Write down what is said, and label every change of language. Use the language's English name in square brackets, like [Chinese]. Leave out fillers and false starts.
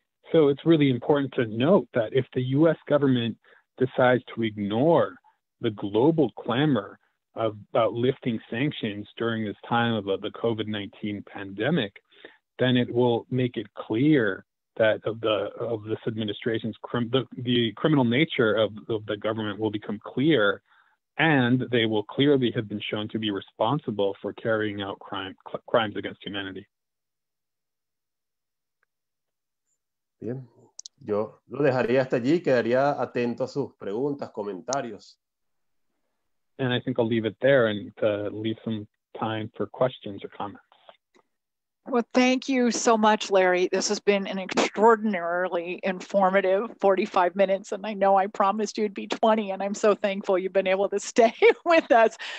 [English] So it's really important to note that if the U.S. government decides to ignore the global clamor about lifting sanctions during this time of the COVID-19 pandemic, then it will make it clear that of this administration's the criminal nature of the government will become clear, and they will clearly have been shown to be responsible for carrying out crimes against humanity. [Spanish] Bien, yo lo dejaría hasta allí, quedaría atento a sus preguntas, comentarios. [English] And I think I'll leave it there and leave some time for questions or comments. Well, thank you so much, Larry. This has been an extraordinarily informative 45 minutes, and I know I promised you'd be 20, and I'm so thankful you've been able to stay with us.